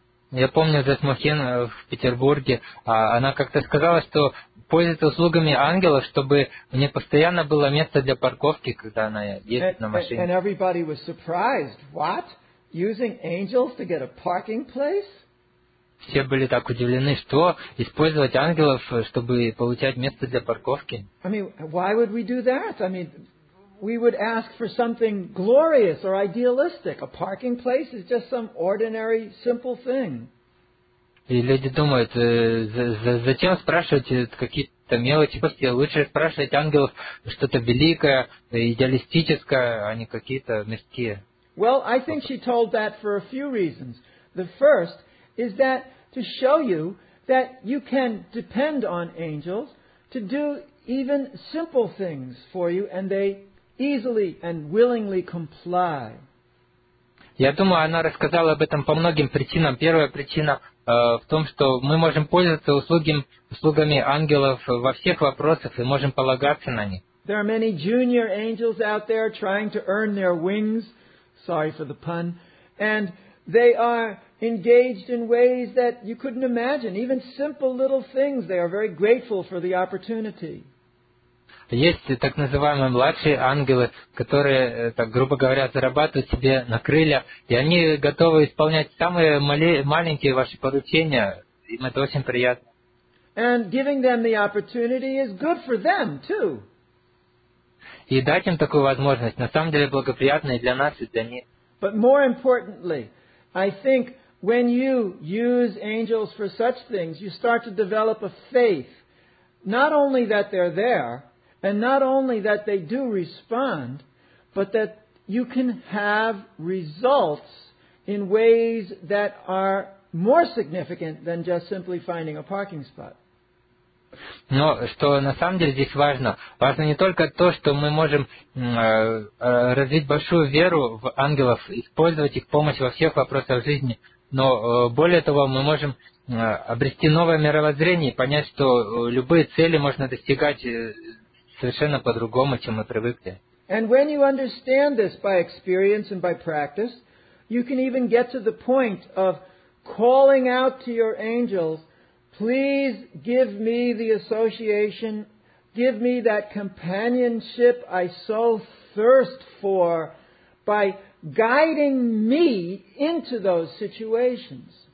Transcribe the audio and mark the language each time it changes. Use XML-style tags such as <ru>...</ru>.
<ru>Я помню Jasmuheen в Петербурге, она как-то сказала, что пользуется услугами ангелов, чтобы у нее постоянно было место для парковки, когда она ездит на машине.</ru> <en>And everybody was surprised. What? Using angels to get a parking place?</en> <ru>Все были так удивлены, что использовать ангелов, чтобы получать место для парковки.</ru> <en>I mean, why would we do that? I mean, we would ask for something glorious or idealistic. A parking place is just some ordinary, simple thing.</en> <ru>И люди думают, зачем спрашивать какие-то мелочи? Просто лучше спрашивать ангелов что-то великое, идеалистическое, а не какие-то мирские.</ru> <en>Well, I think she told that for a few reasons. The first is that to show you that you can depend on angels to do even simple things for you, and they easily and willingly comply.</en> <ru>Я думаю, она рассказала об этом по многим причинам. Первая причина в том, что мы можем пользоваться услугами ангелов во всех вопросах и можем полагаться на них.</ru> <en>There are many junior angels out there trying to earn their wings. Sorry for the pun. And they are engaged in ways that you couldn't imagine. Even simple little things, they are very grateful for the opportunity.</en> <ru>Есть так называемые младшие ангелы, которые, так грубо говоря, зарабатывают себе на крылья, и они готовы исполнять самые маленькие ваши поручения. Им это очень приятно.</ru> <en>And giving them the opportunity is good for them, too.</en> <ru>И дать им такую возможность, на самом деле, благоприятная для нас и для них.</ru> <en>But more importantly, I think when you use angels for such things, you start to develop a faith, not only that they're there, and not only that they do respond, but that you can have results in ways that are more significant than just simply finding a parking spot.</en> <ru>Но что на самом деле здесь важно? Важно не только то, что мы можем развить большую веру в ангелов, использовать их помощь во всех вопросах жизни, но более того, мы можем обрести новое мировоззрение и понять, что любые цели можно достигать совершенно по-другому, чем мы привыкли.</ru> <en>And when you understand this by experience and by practice, You can even get to the point of calling out to your angels, please give me the association, give me that companionship I so thirst for by guiding me into those situations.</en>